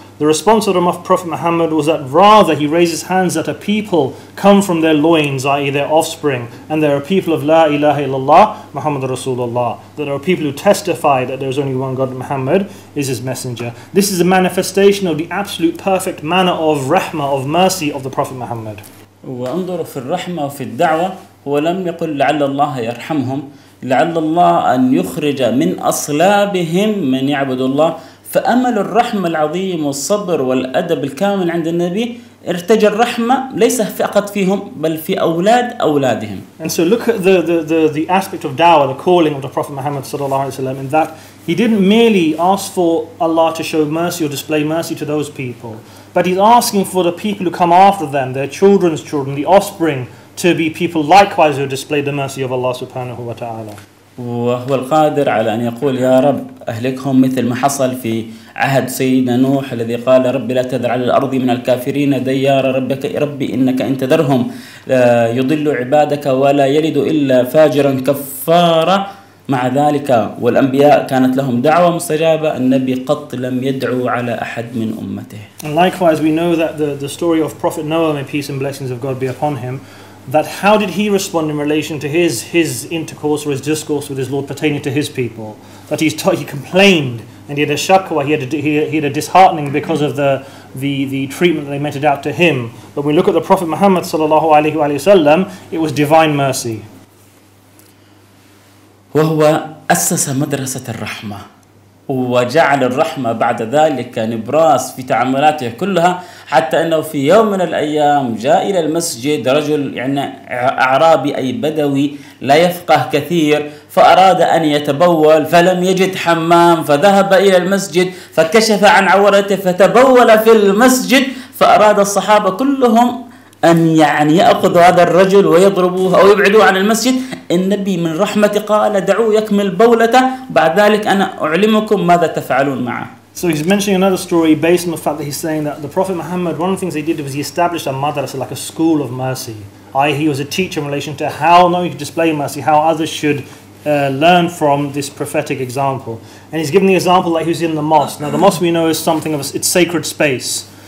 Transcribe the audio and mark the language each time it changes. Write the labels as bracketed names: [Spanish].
[English] The response of the Prophet Muhammad was that rather he raises hands that a people come from their loins, i.e. their offspring, and there are people of [Arabic] La ilaha illallah, Muhammad Rasulullah. [English] That there are people who testify that there is only one God, Muhammad is his messenger. This is a manifestation of the absolute perfect manner of rahmah, of mercy of the Prophet Muhammad. [Arabic] وَأَنْظُرُ فِي الرَّحْمَةِ وَفِي الدَّعْوَةِ وَلَمْ يَقُلْ لَعَلَّ اللَّهَ يَرْحَمْهُمْ لَعَلَّ اللَّهَ أَنْ يُخْرِجَ مِنْ أَصْلَابِهِمْ مَنْ يَعْبُدُ اللَّهَ فأمل الرحمة العظيم والصبر والأدب الكامل عند النبي ارتجى الرحمة ليس فقط فيهم بل في أولاد أولادهم. [English] And so look at the aspect of dawah, the calling of the Prophet Muhammad sallallahu alaihi wasallam, in that he didn't merely ask for Allah to show mercy or display mercy to those people, but he's asking for the people who come after them, their children's children, the offspring, to be people likewise who display the mercy of Allah subhanahu wa taala. [Arabic] وهو القادر على أن يقول يا رب أهلكهم مثل ما حصل في عهد سيدنا نوح الذي قال رب لا تذر على الأرض من الكافرين ديار ربك ربي إنك إن تذرهم يضل عبادك ولا يلد إلا فاجرا كفارا مع ذلك والأنبياء كانت لهم دعوة مستجابة النبي قط لم يدعو على أحد من أمته. [English] And likewise we know that the story of Prophet Noah, may peace and blessings of God be upon him, that how did he respond in relation to his intercourse or his discourse with his Lord pertaining to his people? That he complained and he had a shakwa, he had a disheartening because of the treatment that they meted out to him. But when we look at the Prophet Muhammad sallallahu alaihi wasallam, it was divine mercy. [Arabic] وهو أسس مدرسة الرحمة وجعل الرحمة بعد ذلك نبراس في تعاملاته كلها حتى أنه في يوم من الأيام جاء إلى المسجد رجل يعني أعرابي أي بدوي لا يفقه كثير فأراد أن يتبول فلم يجد حمام فذهب إلى المسجد فكشف عن عورته فتبول في المسجد فأراد الصحابة كلهم أن يعني يأخذوا هذا الرجل ويضربوه أو يبعدوه عن المسجد النبي من رحمة قال دعوه يكمل بولته بعد ذلك أنا أعلمكم ماذا تفعلون معه. [English] So he's mentioning another story based on the fact that he's saying that the Prophet Muhammad, one of the things he did was he established a madrasa, like a school of mercy. I.e. he was a teacher in relation to how not only to display mercy, how others should learn from this prophetic example. And he's given the example that he was in the mosque. Now the mosque we know is something of its sacred space.